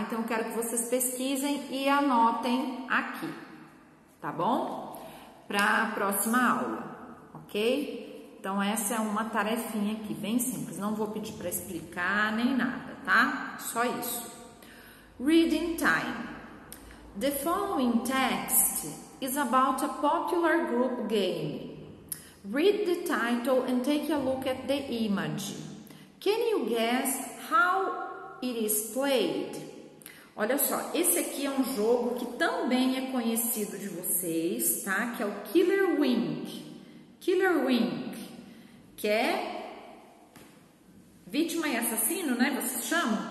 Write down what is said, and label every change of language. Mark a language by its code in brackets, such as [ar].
[pt] Então eu quero que vocês pesquisem e anotem aqui, tá bom? Para a próxima aula, ok? Então essa é uma tarefinha aqui, bem simples, não vou pedir para explicar nem nada, tá? Só isso. [en] Reading time. The following text is about a popular group game. Read the title and take a look at the image. Can you guess how it is played? [pt] Olha só, esse aqui é um jogo que também é conhecido de vocês, tá? Que é o Killer Wink. Killer Wink, que é vítima e assassino, né? Vocês chamam?